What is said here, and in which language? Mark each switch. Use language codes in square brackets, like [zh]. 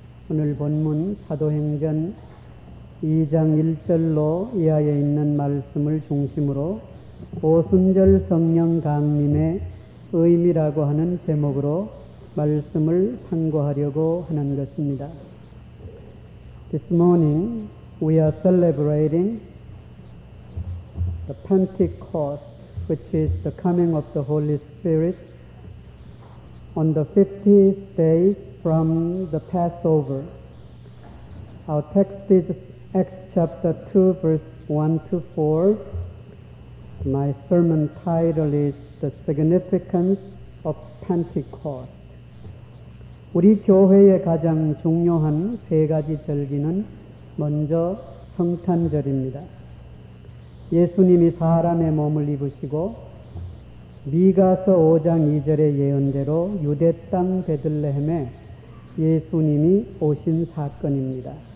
[ko] 오늘 본문 사도행전 2장 1절로 이하에 있는 말씀을 중심으로 오순절 성령 강림의 의미라고 하는 제목으로 말씀을 상고하려고 하는 것입니다. [en] This morning we are celebrating the Pentecost, which is the coming of the Holy Spirit on the 50th day from the Passover. Our text is Acts chapter 2, verse 1 to 4. My sermon title is The Significance of Pentecost. [ko] 우리 교회의 가장 중요한 세 가지 절기는 먼저 성탄절입니다. 예수님이 사람의 몸을 입으시고 미가서 5장 2절의 예언대로 유대 땅 베들레헴에 예수님이 오신 사건입니다.